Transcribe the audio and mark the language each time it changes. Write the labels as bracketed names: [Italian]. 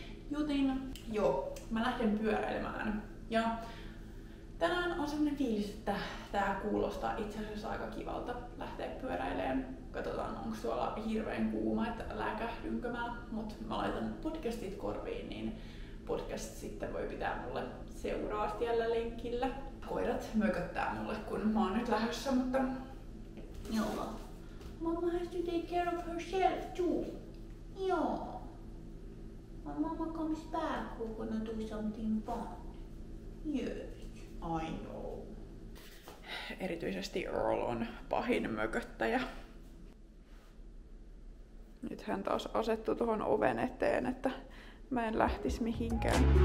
[Finnish] Joten joo, mä lähden pyöräilemään. Ja tänään on sellainen fiilis, että tää kuulostaa itse asiassa aika kivalta lähteä pyöräilemään. Katsotaan, onko tuolla hirveän kuuma, että läkähdynkö mä. Mut mä laitan podcastit korviin, niin podcast sitten voi pitää mulle seuraa siellä lenkillä. Koirat mököttää mulle, kun mä oon nyt lähdössä, mutta joo. [English] Mama has to take care of herself too. Joo. My mama comes back, we're gonna do something fun. Yes, I know. [Finnish] Erityisesti Earl on pahin mököttäjä. Nyt hän taas asettui tuohon oven eteen, että mä en lähtis mihinkään.